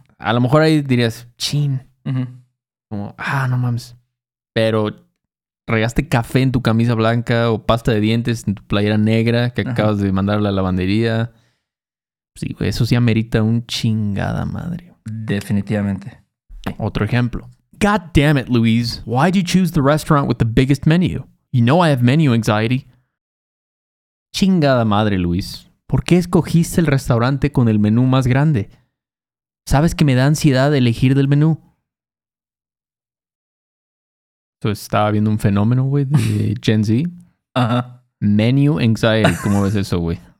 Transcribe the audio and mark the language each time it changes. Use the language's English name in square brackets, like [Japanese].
[Spanish] A lo mejor ahí dirías, chin. Uh-huh. Como, no mames. Pero regaste café en tu camisa blanca o pasta de dientes en tu playera negra que acabas de mandar a la lavandería. Sí, güey, eso sí amerita un chingada madre. Definitivamente. Otro ejemplo. [English] God damn it, Louise. Why'd you choose the restaurant with the biggest menu? You know I have menu anxiety. [Spanish] Chingada madre, Luis. ¿Por qué escogiste el restaurante con el menú más grande? ¿Sabes que me da ansiedad elegir del menú? Entonces, estaba viendo un fenómeno, güey, de Gen Z. Ajá. Menu anxiety. ¿Cómo ves eso, güey?